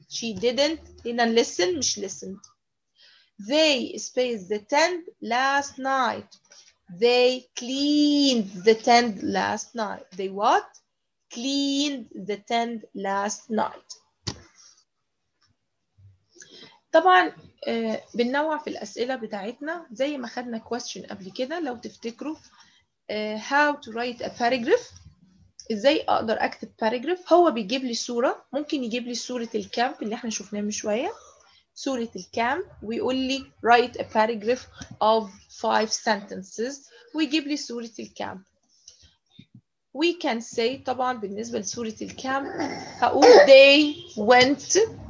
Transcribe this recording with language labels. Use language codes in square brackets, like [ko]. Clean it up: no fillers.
[en] She didn't listen مش listened. They spaced the tent last night. They cleaned the tent last night. They what? Cleaned the tent last night. [ar] طبعا بننوع في الأسئلة بتاعتنا زي ما خدنا question قبل كده لو تفتكروا [en] how to write a paragraph. [ar] ازاي اقدر اكتب paragraph؟ هو بيجيب لي صورة، ممكن يجيب لي صورة الكامب اللي احنا شفناه من شوية، صورة الكامب ويقول لي [en] write a paragraph of 5 sentences [ar] ويجيب لي صورة الكامب. [en] We can say [ar] طبعا بالنسبة لصورة الكامب هقول [en] they went to.